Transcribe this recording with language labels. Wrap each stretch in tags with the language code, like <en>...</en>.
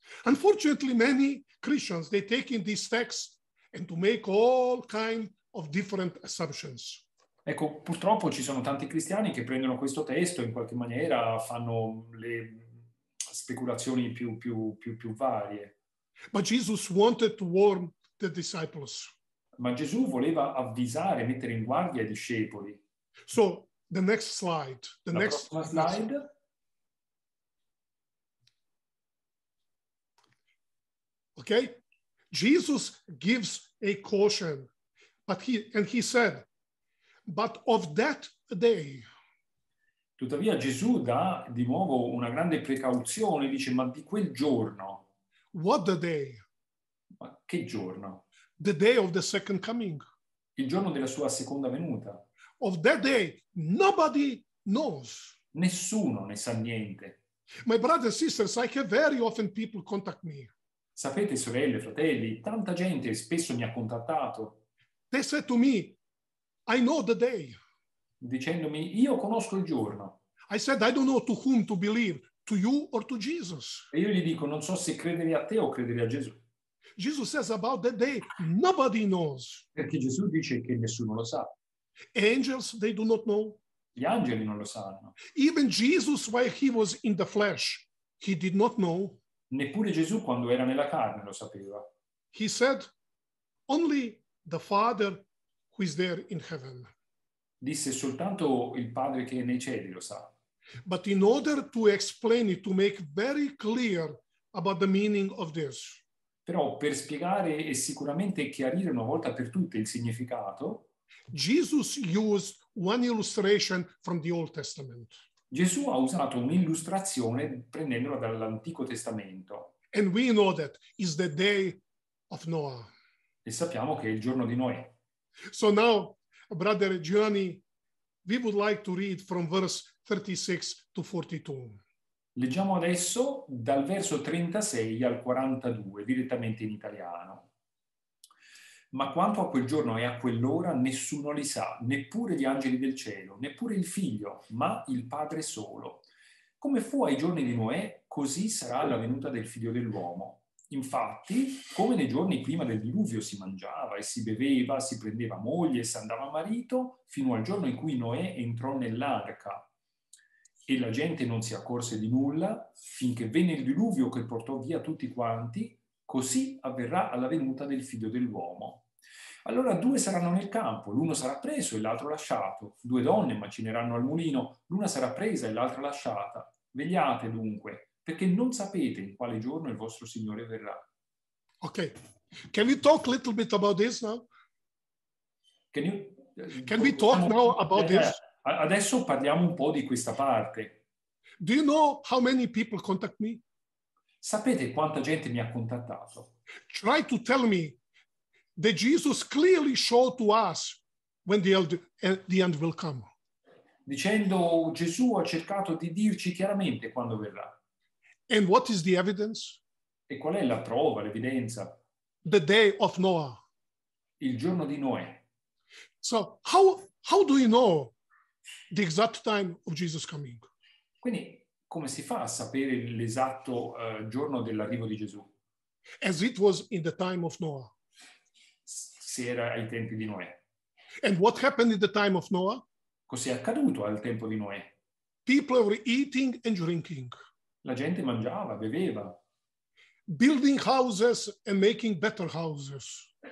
<en>Unfortunately, many Christians, they take in this text and to make all kind of different assumptions.</en> <it>Ecco, purtroppo ci sono tanti cristiani che prendono questo testo in qualche maniera fanno le speculazioni più varie.</it> <en>But Jesus wanted to warn the disciples.</en> <it>Ma Gesù voleva avvisare, mettere in guardia i discepoli.</it> <en>So, the next slide. The</en> <it>La</it> <en>next</en> <it>prossima slide.</it> <en>Okay? Jesus gives a caution. And he said, but of that day.</en> <it>Tuttavia Gesù dà di nuovo una grande precauzione, dice, ma di quel giorno.</it> <en>What the day?</en> <it>Ma che giorno?</it> <en>The day of the second coming.</en> <it>Il giorno della sua seconda venuta.</it> <en>Of that day, nobody knows.</en> <it>Nessuno ne sa niente.</it> <en>My brothers and sisters, I have very often people contact me.</en> <it>Sapete, sorelle, fratelli, tanta gente spesso mi ha contattato.</it> <en>They said to me, I know the day.</en> <it>Dicendomi, io conosco il giorno.</it> <en>I said, I don't know to whom to believe. To you or to Jesus.</en> <it>E io gli dico, non so se credere a te o credere a Gesù.</it> <en>Jesus says about that day, nobody knows.</en> <it>Perché Gesù dice che nessuno lo sa.</it> <en>Angels, they do not know.</en> <it>Gli angeli non lo sanno.</it> <en>Even Jesus, while he was in the flesh, he did not know.</en> <it>Neppure Gesù, quando era nella carne, lo sapeva.</it> <en>He said, only the Father who is there in heaven.</en> <it>Disse, soltanto il Padre che è nei cieli lo sa.</it> <en>But in order to explain it, to make very clear about the meaning of this.</en> <it>Però per spiegare e sicuramente chiarire una volta per tutte il significato,</it> <en>Jesus used one illustration from the Old Testament.</en> <it>Gesù ha usato un'illustrazione prendendola dall'Antico Testamento.</it> <en>And we know that is the day of Noah.</en> <it>E sappiamo che è il giorno di Noè.</it> <en>So now, brother Gianni, we would like to read from verse 36 to 42.</en> <it>Leggiamo adesso dal verso 36 al 42, direttamente in italiano. Ma quanto a quel giorno e a quell'ora nessuno li sa, neppure gli angeli del cielo, neppure il Figlio, ma il Padre solo. Come fu ai giorni di Noè, così sarà la venuta del Figlio dell'uomo. Infatti, come nei giorni prima del diluvio si mangiava e si beveva, si prendeva moglie e si andava marito, fino al giorno in cui Noè entrò nell'arca. E la gente non si accorse di nulla, finché venne il diluvio che portò via tutti quanti, così avverrà alla venuta del Figlio dell'uomo. Allora due saranno nel campo, l'uno sarà preso e l'altro lasciato. Due donne macineranno al mulino, l'una sarà presa e l'altra lasciata. Vegliate dunque, perché non sapete in quale giorno il vostro Signore verrà.</it> <en>Ok, can we talk a little bit about this now? Can we talk now about this?</en> <it>Adesso parliamo un po' di questa parte.</it> <en>Do you know how many people contact me?</en> <it>Sapete quanta gente mi ha contattato?</it> <en>Try to tell me that Jesus clearly showed to us when the end will come.</en> <it>Dicendo Gesù ha cercato di dirci chiaramente quando verrà.</it> <en>And what is the evidence?</en> <it>E qual è la prova, l'evidenza?</it> <en>The day of Noah.</en> <it>Il giorno di Noè.</it> <en>So, how do you know the exact time of Jesus coming?</en> <it>Quindi, come si fa a sapere l'esatto giorno dell'arrivo di Gesù?</it> <en>As it was in the time of Noah.</en> <it>Se era ai tempi di Noè.</it> <en>And what happened in the time of Noah?</en> <it>Cos'è accaduto al tempo di Noè?</it> <en>People were eating and drinking.</en> <it>La gente mangiava, beveva.</it> <en>Building houses and making better houses.</en>